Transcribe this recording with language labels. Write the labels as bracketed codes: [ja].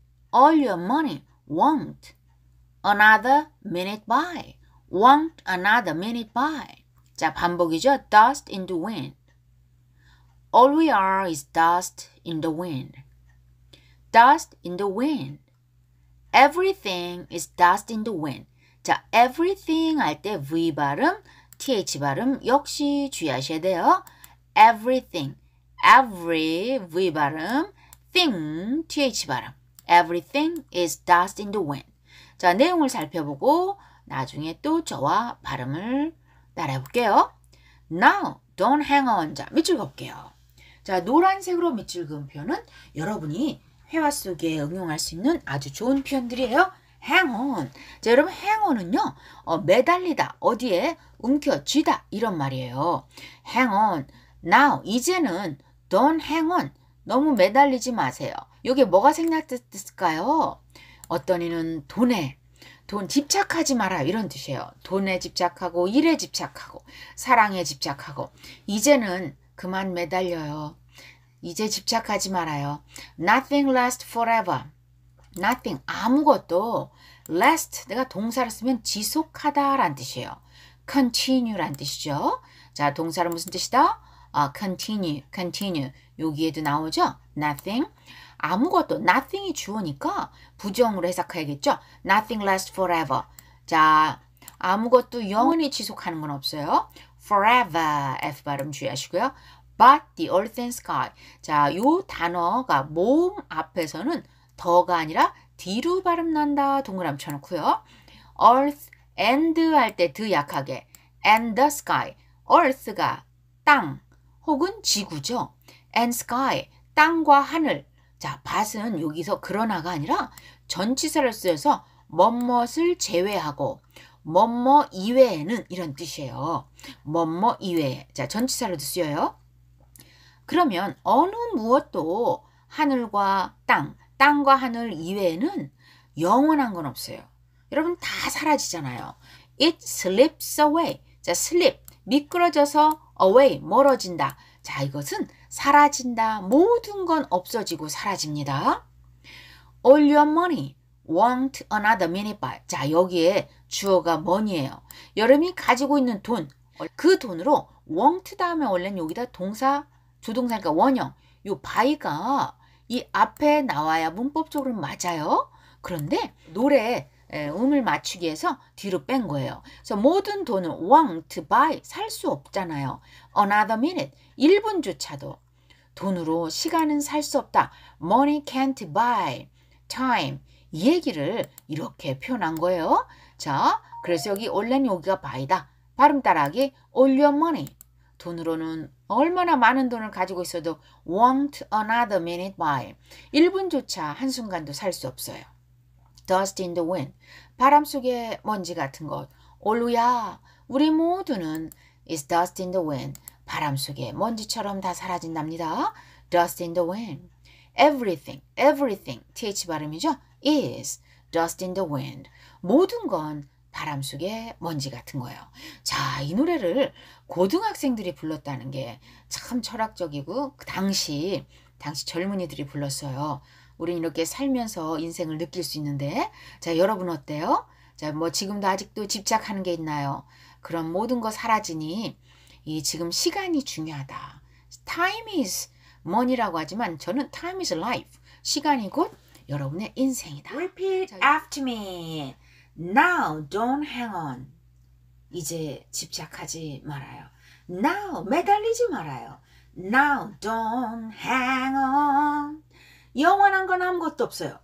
[en] All your money won't another minute by, won't another minute by. [ko] 자, 반복이죠. [en] Dust in the wind. All we are is dust in the wind. Dust in the wind. Everything is dust in the wind. [ko] 자, everything 할 때 V 발음, TH 발음 역시 주의하셔야 돼요. [en] Everything, every V 발음, thing, TH 발음. Everything is dust in the wind. [ko] 자, 내용을 살펴보고 나중에 또 저와 발음을 따라해볼게요. [en] Now, don't hang on. [ko] 자, 밑줄 긋게요. 자, 노란색으로 밑줄 긋은 표현은 여러분이 회화 속에 응용할 수 있는 아주 좋은 표현들이에요. [en] Hang on. [ko] 자, 여러분, hang on은요, 매달리다, 어디에 움켜쥐다 이런 말이에요. [en] Hang on. Now, [ko] 이제는 [en] don't hang on. [ko] 너무 매달리지 마세요. 이게 뭐가 생략됐을까요? 어떤 이는 돈에, 돈 집착하지 마라 이런 뜻이에요. 돈에 집착하고, 일에 집착하고, 사랑에 집착하고. 이제는 그만 매달려요. 이제 집착하지 말아요. [en] Nothing lasts forever. [ko] Nothing, 아무것도 last, 내가 동사를 쓰면 지속하다 라는 뜻이에요. continue 라는 뜻이죠. 자, 동사는 무슨 뜻이다? continue, continue. 여기에도 나오죠? Nothing, 아무것도, nothing이 주어니까 부정으로 해석해야겠죠? [en] Nothing lasts forever. [ko] 자, 아무것도 영원히 지속하는 건 없어요. forever, F 발음 주의하시고요. [en] but the earth and sky. [ko] 자, 이 단어가 몸 앞에서는 더가 아니라 뒤로 발음 난다 동그라미 쳐놓고요. [en] Earth and 할 때 the 약하게 and the sky. [ko] Earth가 땅 혹은 지구죠. And sky 땅과 하늘. 자, but은 여기서 그러나가 아니라 전치사를 쓰여서 뭣뭣을 제외하고 뭣뭣 이외에는 이런 뜻이에요. 뭣뭣 이외에. 자, 전치사로도 쓰여요. 그러면 어느 무엇도 하늘과 땅, 땅과 하늘 이외에는 영원한 건 없어요. 여러분 다 사라지잖아요. [en] It slips away. [ko] 자, slip, 미끄러져서 away, 멀어진다. 자, 이것은 사라진다. 모든 건 없어지고 사라집니다. [en] All your money won't another minute by. [ko] 자, 여기에 주어가 money예요. 여러분이 가지고 있는 돈, 그 돈으로 won't 다음에 원래는 여기다 동사, 조동사니까 원형, 요 by가 이 앞에 나와야 문법적으로는 맞아요. 그런데 노래에 음을 맞추기 위해서 뒤로 뺀 거예요. 그래서 모든 돈은 won't buy 살 수 없잖아요. Another minute, 1분조차도 돈으로 시간은 살 수 없다. [en] Money can't buy time. [ko] 이 얘기를 이렇게 표현한 거예요. 자, 그래서 여기 원래는 여기가 buy다. 발음 따라하기 [en] all your money. [ko] 돈으로는 얼마나 많은 돈을 가지고 있어도 [en] won't another minute by. [ko] 1분조차 한순간도 살 수 없어요. [en] Dust in the wind. [ko] 바람 속에 먼지 같은 것. 올루야, 우리 모두는 [en] is dust in the wind. [ko] 바람 속에 먼지처럼 다 사라진답니다. [en] Dust in the wind. Everything, everything, TH 발음이죠? is dust in the wind. [ko] 모든 건 바람 속에 먼지 같은 거예요. 자, 이 노래를 고등학생들이 불렀다는 게 참 철학적이고 당시 젊은이들이 불렀어요. 우린 이렇게 살면서 인생을 느낄 수 있는데 자, 여러분 어때요? 자, 뭐 지금도 아직도 집착하는 게 있나요? 그럼 모든 거 사라지니 이 지금 시간이 중요하다. [en] Time is money [ko] 라고 하지만 저는 [en] time is life. [ko] 시간이 곧 여러분의 인생이다. [en] Repeat after me. Now don't hang on. [ko] 이제 집착하지 말아요. Now 매달리지 말아요. [en] Now don't hang on. [ko] 영원한 건 아무것도 없어요.